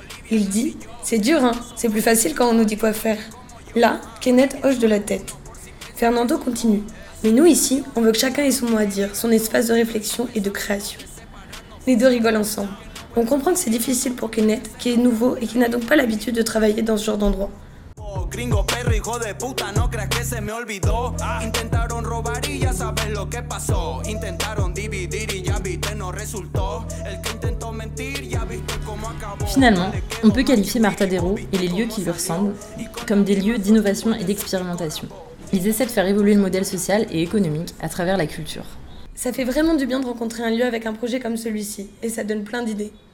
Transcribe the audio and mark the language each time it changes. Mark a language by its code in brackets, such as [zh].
[fr] Il dit « C'est dur, hein, c'est plus facile quand on nous dit quoi faire. » Là, Kenneth hoche de la tête. Fernando continue « Mais nous ici, on veut que chacun ait son mot à dire, son espace de réflexion et de création. » Les deux rigolent ensemble. On comprend que c'est difficile pour Kenneth, qui est nouveau et qui n'a donc pas l'habitude de travailler dans ce genre d'endroit. [es] Gringo perro hijo de puta, no creas que se me olvidó. Intentaron robar y ya sabes lo que pasó. Intentaron dividir y ya viste no resultó. El que intentó mentir ya viste cómo acabó. [fr] Finalement, on peut qualifier Marta Dero et les lieux qui lui ressemblent comme des lieux d'innovation et d'expérimentation. Ils essaient de faire évoluer le modèle social et économique à travers la culture. Ça fait vraiment du bien de rencontrer un lieu avec un projet comme celui-ci et ça donne plein d'idées.